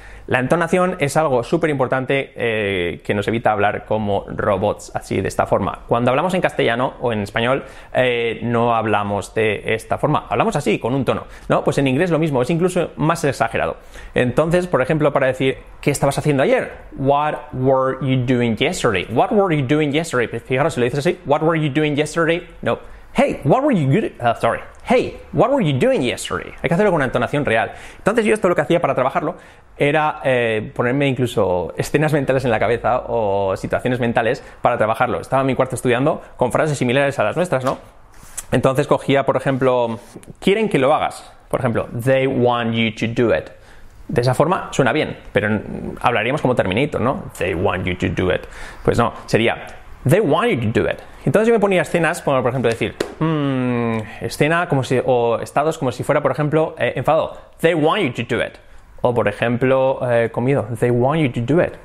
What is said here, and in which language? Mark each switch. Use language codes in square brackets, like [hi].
[es] La entonación es algo súper importante que nos evita hablar como robots, así de esta forma. Cuando hablamos en castellano o en español, no hablamos de esta forma. Hablamos así, con un tono, ¿no? Pues en inglés lo mismo, es incluso más exagerado. Entonces, por ejemplo, para decir, ¿qué estabas haciendo ayer? [en] What were you doing yesterday? What were you doing yesterday? [es] Fijaros, si lo dices así, [en] what were you doing yesterday? No. Hey, what were you Hey, what were you doing yesterday? [es] Hay que hacerlo con una entonación real. Entonces yo esto lo que hacía para trabajarlo era ponerme incluso escenas mentales en la cabeza o situaciones mentales para trabajarlo. Estaba en mi cuarto estudiando con frases similares a las nuestras, ¿no? Entonces cogía, por ejemplo, quieren que lo hagas. Por ejemplo, [en] they want you to do it. [es] De esa forma suena bien, pero hablaríamos como Terminator, ¿no? [en] They want you to do it. [es] Pues no, sería [en] they want you to do it. [es] Entonces yo me ponía escenas, como por ejemplo decir, escena como si, o estados como si fuera, por ejemplo, enfado. [en] They want you to do it. [es] O por ejemplo, comido. [en] They want you to do it.